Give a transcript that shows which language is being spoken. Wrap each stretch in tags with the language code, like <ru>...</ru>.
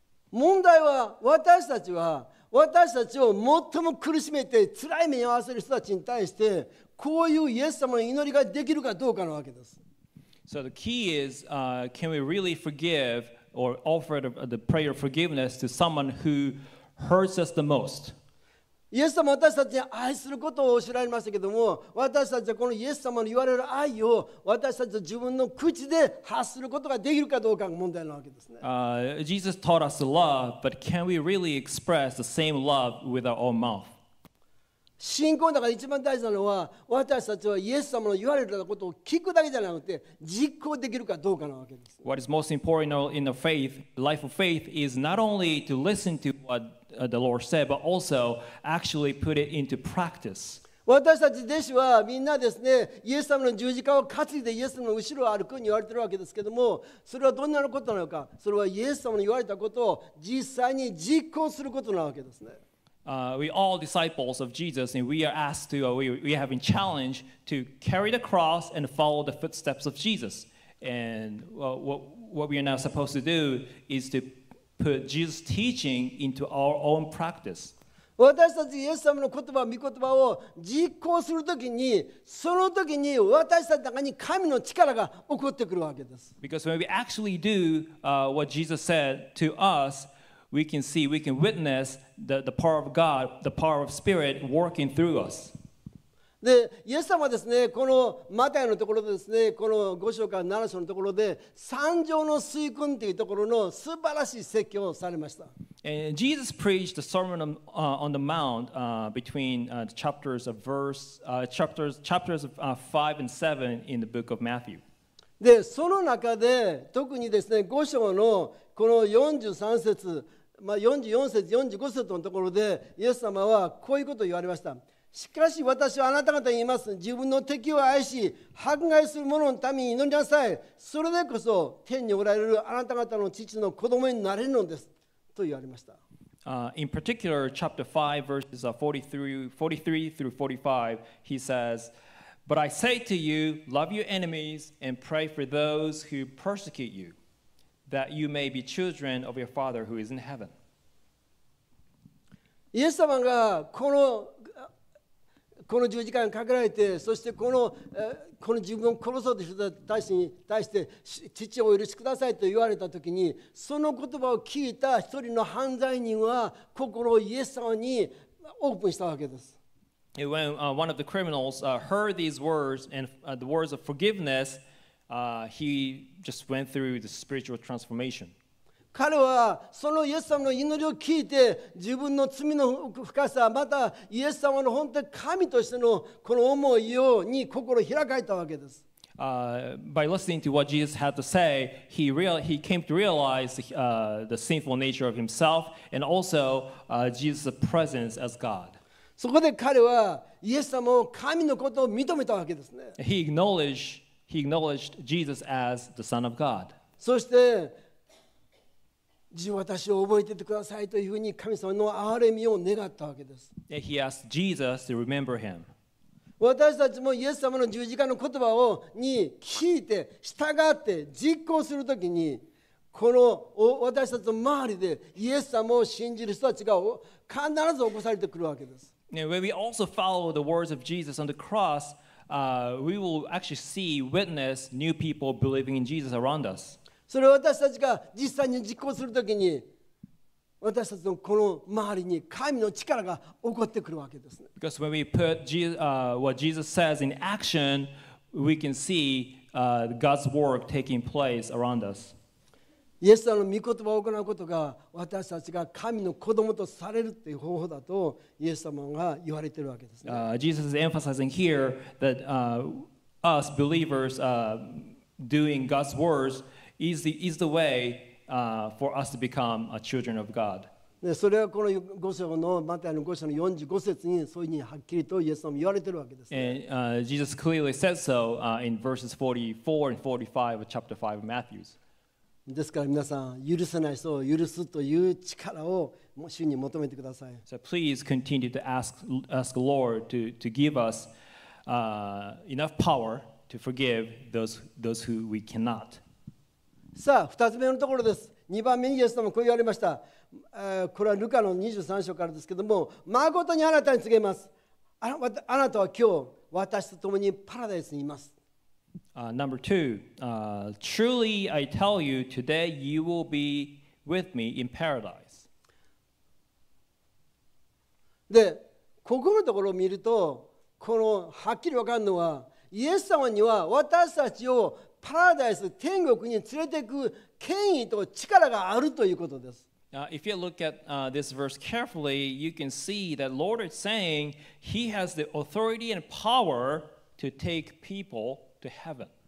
<ja>問題は私たちは私たちを最も苦しめて辛い目に遭わせる人たちに対してこういうイエス様の祈りができるかどうかのわけです。</ja> <en>So the key is, can we really forgive or offer the prayer of forgiveness to someone who hurts us the most?</en> <ja>イエス様は私たちに愛することを知られましたけども、私たちはこのイエス様の言われる愛を私たちは自分の口で発することができるかどうかが問題なわけですね。</ja> <en>Jesus taught us love, but can we really express the same love with our own mouth?</en> <ja>信仰だから一番大事なのは、私たちはイエス様の言われることを聞くだけじゃなくて、実行できるかどうかなわけです。</ja> <en>What is most important in the faith, life of faith, is not only to listen to whatthe Lord said, but also actually put it into practice.</en> <ja>私たち弟子はみんなですね、イエス様の十字架を担いでイエス様の後ろを歩くに言われてるわけですけども、それはどんなことなのか、それはイエス様の言われたことを実際に実行することなわけですね。</ja> <en>We all disciples of Jesus, and we are asked to, we have been challenged to carry the cross and follow the footsteps of Jesus. And what we are now supposed to do is to. Put Jesus' teaching into our own practice.</en> <ja>私たちイエス様の言葉、御言葉を実行するときに、そのときに私たちの中に神の力が起こってくるわけです。</ja> <en>Because when we actually do what Jesus said to us, we can see, we can witness the power of God, the power of Spirit working through us.</en> <ja>でイエス様はですね、このマタイのところでですね、この五章から七章のところで三条の水訓というところの素晴らしい説教をされました。</ja> <en>And Jesus preached the sermon on the Mount between the chapters of five and seven in the book of Matthew.</en> <ja>でその中で特にですね、五章のこの43節、まあ44節、45節のところでイエス様はこういうことを言われました。しかし私はあなた方に言います。自分の敵を愛し、迫害する者のために祈りなさい。それでこそ天におられるあなた方の父の子供になれるのです。と言われました。</ja> <en>In particular, chapter 5, verses 43 through 45, he says, But I say to you, love your enemies and pray for those who persecute you, that you may be children of your Father who is in heaven.</en> <ja>イエス様がこの十字架にかけられて、そしてこの自分を殺そうという人たちに対して父を許しくださいと言われたときに、その言葉を聞いた一人の犯罪人は心をイエス様にオープンしたわけです。</ja> <en>When one of the criminals heard these words and the words of forgiveness, he just went through the spiritual transformation.</en> <ja>彼はそのイエス様の祈りを聞いて自分の罪の深さまたイエス様の本当に神としてのこの思いをに心を開かれたわけです。</ja> <en>By listening to what Jesus had to say, he came to realize the sinful nature of himself and also Jesus' presence as God.</en> <ja>そこで彼はイエス様を神のことを認めたわけですね。</ja> <en>He acknowledged Jesus as the Son of God.</en> <ja>そして私を覚えててくださいというふうに神様の憐れみを願ったわけです。</ja> <en>He asked Jesus to remember him.</en> <ja>私たちもイエス様の十字架の言葉をに聞いて従って実行するときにこの私たちの周りでイエス様を信じる人たちが必ず起こされてくるわけです。</ja> <en>Now, when we also follow the words of Jesus on the cross, we will actually see witness new people believing in Jesus around us.</en> <ja>それを私たちが実際に実行するときに私たちのこの周りに神の力が起こってくるわけですね。</ja> <en>Because when we put Jesus, what Jesus says in action, we can see God's work taking place around us.</en> <ja>イエス様の御言葉を行うことが私たちが神の子供とされるという方法だとイエス様が言われているわけですね。</ja> <en>Jesus is emphasizing here that us believers doing God's words,is the way for us to become a children of God.</en> <ja>それはこの五章のマタイの五章の四十五節にそういうふうにはっきりとイエス様も言われているわけです。</ja> <en>And Jesus clearly said so in verses 44 and 45 of chapter 5 of Matthew.</en> <ja>ですから皆さん許せない人を許すという力を主に求めてください。</ja> <en>So please continue to ask Lord to give us enough power to forgive those who we cannot.</en> <ja>さあ2つ目のところです。2番目にイエス様こう言われました、これはルカの23章からですけども、誠にあなたに告げます、 あなたは今日私と共にパラダイスにいます。</ja> <en>Number 2、Truly I tell you, today you will be with me in paradise.</en> <ja>でここのところを見るとこのはっきり分かるのはイエス様には私たちをパラダイス、天国に連れて行く権威と力があるということです。</ja> <en>If you look at this verse carefully, you can see that Lord is saying he has the authority and power to take people to heaven.</en>